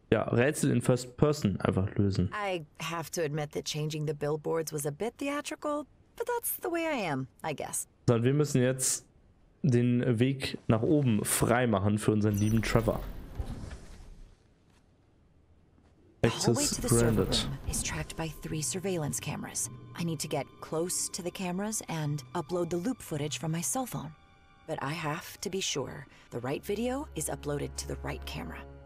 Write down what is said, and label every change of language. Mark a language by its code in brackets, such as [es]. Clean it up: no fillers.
[de] ja, Rätsel in First Person einfach lösen. [en] I have to admit that changing the billboards was a bit theatrical, but that's the way I am, I guess. [de] So, und wir müssen jetzt den Weg nach oben frei machen für unseren lieben Trevor. [en] The hallway to the server room is tracked by 3 surveillance cameras. I need to get close to the cameras and upload the loop footage from my cell phone. But I have to be sure the right video is uploaded to the right camera.